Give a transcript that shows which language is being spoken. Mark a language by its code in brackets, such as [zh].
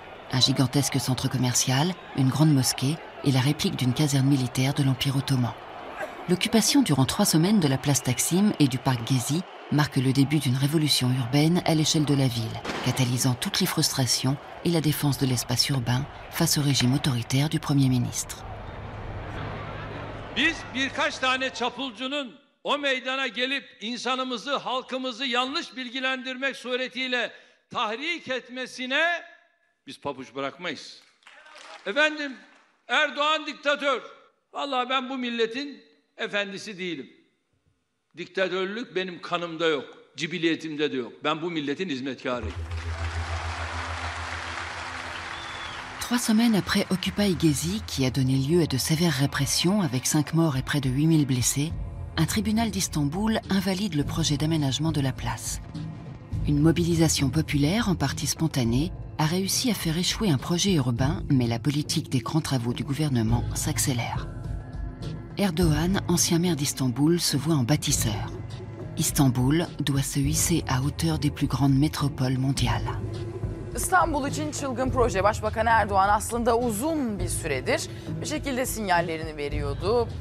[fr] Un gigantesque centre commercial, une grande mosquée et la réplique d'une caserne militaire de l'Empire ottoman. L'occupation durant trois semaines de la place Taksim et du parc Gezi marque le début d'une révolution urbaine à l'échelle de la ville, catalysant toutes les frustrations et la défense de l'espace urbain face au régime autoritaire du Premier ministre. [tr] Biz birkaç tane çapulcunun o meydana gelip insanımızı, halkımızı yanlış bilgilendirmek suretiyle tahrik etmesine biz pabuç bırakmayız. Efendim, Erdoğan diktatör. Vallahi ben bu milletin efendisi değilim. Diktatörlük benim kanımda yok, cibiliyetimde de yok. Ben bu milletin hizmetkarıyım. [fr] Trois semaines après Occupy Gezi, qui a donné lieu à de sévères répressions avec 5 morts et près de 8000 blessés, un tribunal d'Istanbul invalide le projet d'aménagement de la place. Une mobilisation populaire, en partie spontanée, a réussi à faire échouer un projet urbain, mais la politique des grands travaux du gouvernement s'accélère. Erdogan, ancien maire d'Istanbul, se voit en bâtisseur. Istanbul doit se hisser à hauteur des plus grandes métropoles mondiales. [tr] İstanbul için çılgın proje. Başbakan Erdoğan aslında uzun bir süredir bir şekilde sinyallerini veriyordu.